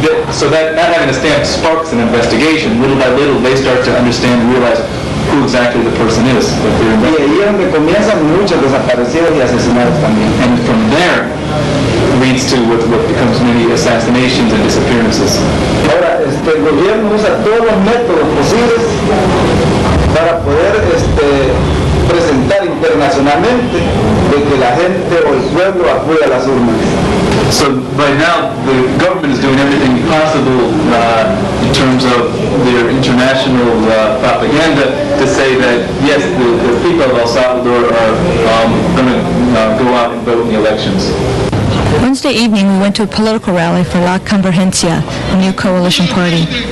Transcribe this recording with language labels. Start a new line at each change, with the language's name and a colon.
English: So that not having a stamp sparks an investigation. Little by little, they start to understand and realize who exactly the person is.
Spanish: Y ahí es donde comienzan muchos desaparecidos y asesinados también.
English: And from there, leads to what becomes many assassinations and disappearances.
Spanish: Ahora, el gobierno usa todos los métodos posibles para poder presentar internacionalmente de que la gente o el pueblo acude a las urnas.
English: So by now the government is doing everything possible in terms of their international propaganda to say that yes, the people of El Salvador are going to go out and vote in the elections. Wednesday evening we went to a political rally for La Convergencia, a new coalition party.